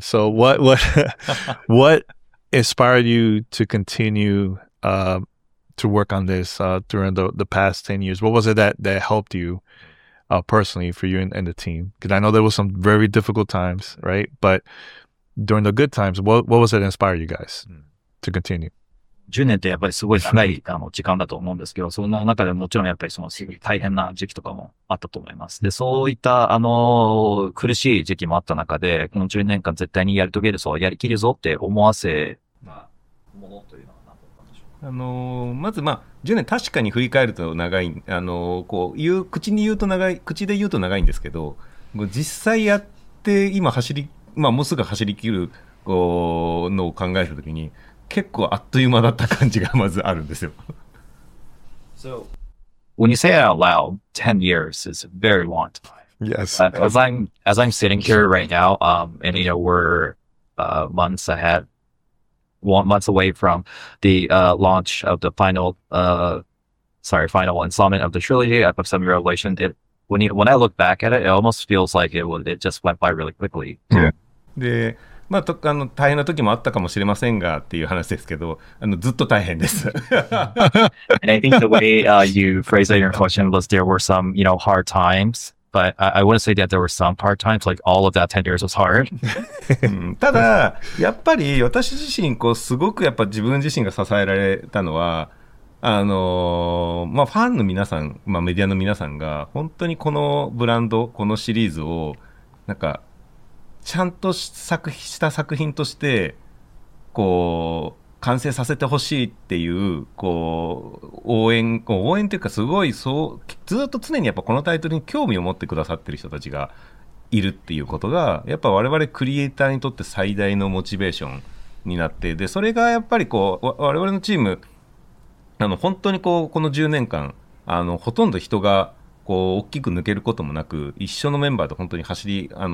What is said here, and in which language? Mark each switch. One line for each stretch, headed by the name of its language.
English: So what what inspired you to continue to work on this during the past 10 years? What was it that helped you personally for you and the team? Because I know there were some very difficult times, right? But during the good times, what was it that inspired you guys to continue?
Japanese: 10年ってやっぱりすごい長い時間だと思うんですけど、その中でもちろんやっぱりその大変な時期とかもあったと思います。で、そういった苦しい時期もあった中で、この10年間絶対にやり遂げるぞ、やりきるぞって思わせたものというのは何だったんでしょうか？まずまあ、10年確かに振り返ると長い、口で言うと長いんですけど、実際やって今もうすぐ走り切るのを考えたときに、結構あっという間だった感じがまずあるんですよ。
English: So when you say it out loud, 10 years is a very long time. Yes. As I'm sitting here right now, and you know, we're months ahead, 1 month away from the launch of the final installment of the trilogy of Seven Revelations. When I look back at it, it almost feels like it just went by really quickly. Yeah. Yeah.
Japanese: まあ、大変な時もあったかもしれませんがっていう話ですけど、ずっと大変です。
English: And I think the way you phrased your question was there were some, you know, hard times, but I wouldn't say that there were some hard times, like all of that 10 years was hard.
Japanese: ただ、やっぱり私自身、こう、すごくやっぱ自分自身が支えられたのは、まあ、ファンの皆さん、まあ、メディアの皆さんが、本当にこのブランド、このシリーズを、なんか、ちゃんとした作品としてこう完成させてほしいってい こう応援というか、すごいそうずっと常にやっぱこのタイトルに興味を持ってくださってる人たちがいるっていうことが、やっぱ我々クリエイターにとって最大のモチベーションになって、でそれがやっぱりこう我々のチーム、本当にこうこの10年間ほとんど人がこう大きく抜けることもなく一緒のメンバーと本当に走り